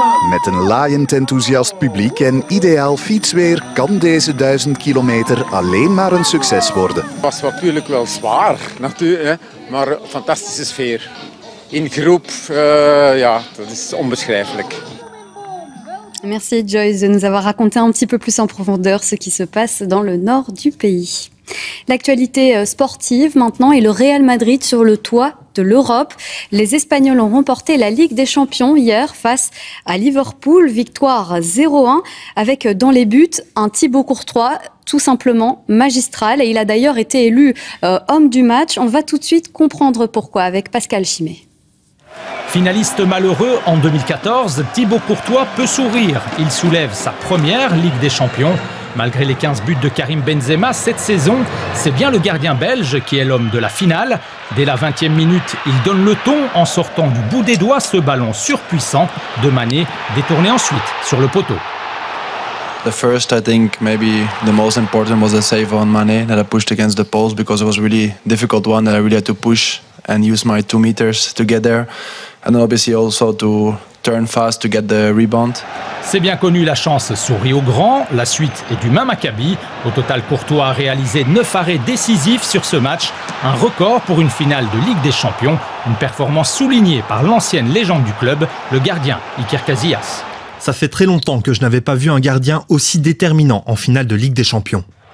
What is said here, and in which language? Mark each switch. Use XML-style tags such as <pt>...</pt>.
<nl>Met een laaiend enthousiast publiek en ideaal fietsweer kan deze 1000 kilometer alleen maar een succes worden. Het was natuurlijk wel zwaar, natuurlijk, maar een fantastische sfeer. In groep, dat is onbeschrijfelijk.</nl> <fr>Merci Joyce de nous avoir raconté un petit peu plus en profondeur ce qui se passe dans le nord du pays. L'actualité sportive maintenant est le Real Madrid sur le toit de l'Europe. Les Espagnols ont remporté la Ligue des Champions hier face à Liverpool, victoire 0-1 avec dans les buts un Thibaut Courtois tout simplement magistral et il a d'ailleurs été élu homme du match. On va tout de suite comprendre pourquoi avec Pascal Chimet. Finaliste malheureux en 2014, Thibaut Courtois peut sourire. Il soulève sa première Ligue des Champions. Malgré les 15 buts de Karim Benzema cette saison, c'est bien le gardien belge qui est l'homme de la finale. Dès la 20e minute, il donne le ton en sortant du bout des doigts ce ballon surpuissant de Mané, détourné ensuite sur le poteau.</fr> <en>The first, I think, maybe the most important was the save on Mané that I pushed against the post because it was really difficult one that I really had to push and use my 2 meters to get there. And obviously also to turn fast to get the rebound.</en> <fr>C'est bien connu, la chance sourit au grand. La suite est du même acabit. Au total, Courtois a réalisé 9 arrêts décisifs sur ce match. Un record pour une finale de Ligue des Champions. Une performance soulignée par l'ancienne légende du club, le gardien Iker Casillas. Ça fait très longtemps que je n'avais pas vu un gardien aussi déterminant en finale de Ligue des Champions.</fr>